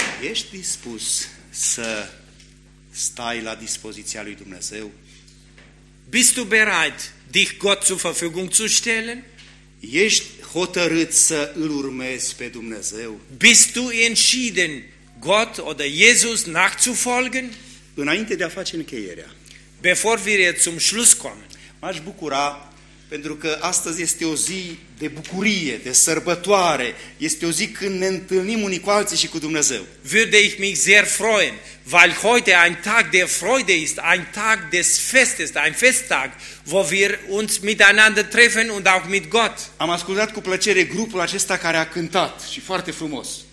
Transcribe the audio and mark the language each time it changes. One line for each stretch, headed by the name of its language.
Romanian: Ești dispus să stai la dispoziția lui Dumnezeu?
German: Bist du bereit, dich Gott zur Verfügung zu stellen?
Romanian: Ești hotărât să îl urmezi pe Dumnezeu?
German: Bist du entschieden, Gott oder Jesus nachzufolgen?
Romanian: Înainte de a face încheierea.
German: Bevor wir jetzt zum Schluss kommen.
Romanian: M-aș bucura, pentru că astăzi este o zi de bucurie, de sărbătoare. Este o zi când ne întâlnim unii cu alții și cu Dumnezeu.
German: Würde ich mich sehr freuen, weil heute ein Tag der Freude ist, ein Tag des Festes, ein Festtag, wo wir uns miteinander treffen und auch mit Gott.
Romanian: Am ascultat cu plăcere grupul acesta care a cântat și foarte frumos.